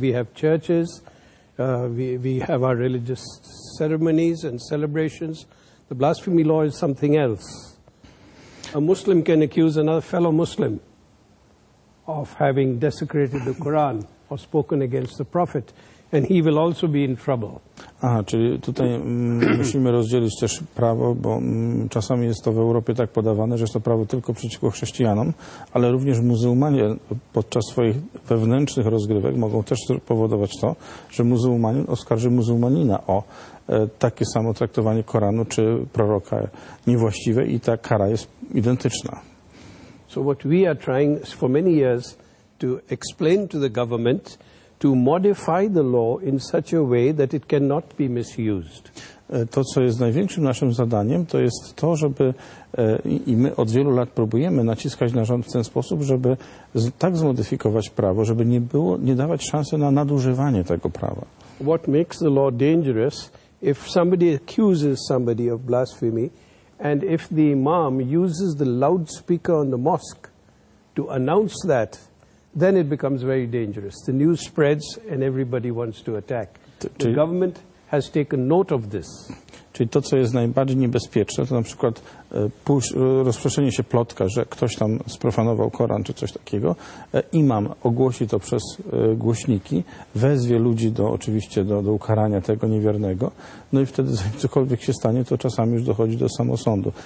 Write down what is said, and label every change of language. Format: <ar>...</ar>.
<en>We have churches. We have our religious ceremonies and celebrations. The blasphemy law is something else. A Muslim can accuse another fellow Muslim of having desecrated the Quran or spoken against the Prophet, and he will also be in trouble.</en> <pl>Aha, czyli tutaj musimy rozdzielić też prawo, bo czasami jest to w Europie tak podawane, że jest to prawo tylko przeciwko chrześcijanom, ale również muzułmanie podczas swoich wewnętrznych rozgrywek mogą też powodować to, że muzułmanin oskarży muzułmanina o takie samo traktowanie Koranu czy proroka niewłaściwe i ta kara jest identyczna.</pl> <en>So what we are trying for many years to explain to the government to modify the law in such a way that it cannot be misused.</en> <pl>To, co jest największym naszym zadaniem, to jest to, żeby i my od wielu lat próbujemy naciskać na rząd w ten sposób, żeby tak zmodyfikować prawo, żeby nie było, nie dawać szansy na nadużywanie tego prawa.</pl> <en>What makes the law dangerous if somebody accuses somebody of blasphemy and if the imam uses the loudspeaker on the mosque to announce that? Then it becomes very dangerous. The news spreads and everybody wants to attack. The government has taken note of this.</en> <pl>Czyli to, co jest najbardziej niebezpieczne, to na przykład rozproszenie się plotka, że ktoś tam sprofanował Koran czy coś takiego. Imam ogłosi to przez głośniki, wezwie ludzi do ukarania tego niewiernego. No i wtedy, zanim cokolwiek się stanie, to czasami już dochodzi do samosądu.</pl>